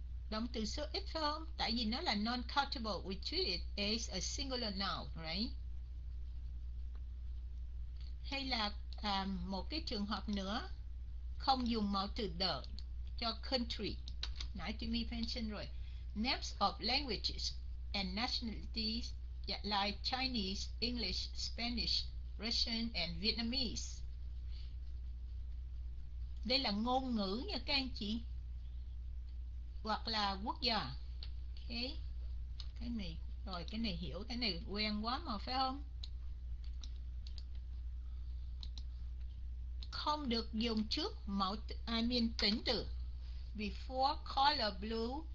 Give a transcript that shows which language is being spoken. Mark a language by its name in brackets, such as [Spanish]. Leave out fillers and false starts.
[Vietnamese] Động từ số ít phải không? Tại vì nó là [English] non-countable, we treat it as a singular noun, right? [Vietnamese] Hay là một cái trường hợp nữa, không dùng mẫu từ the cho country. Nãy tụi mình mention rồi. [English] Names of languages and nationalities like Chinese, English, Spanish, Russian and Vietnamese. [Vietnamese] Đây là ngôn ngữ nha các anh chị, hoặc là quốc gia. Okay. Cái này rồi, cái này hiểu, cái này quen quá mà phải không? Không được dùng trước mẫu tính từ [English] before color blue.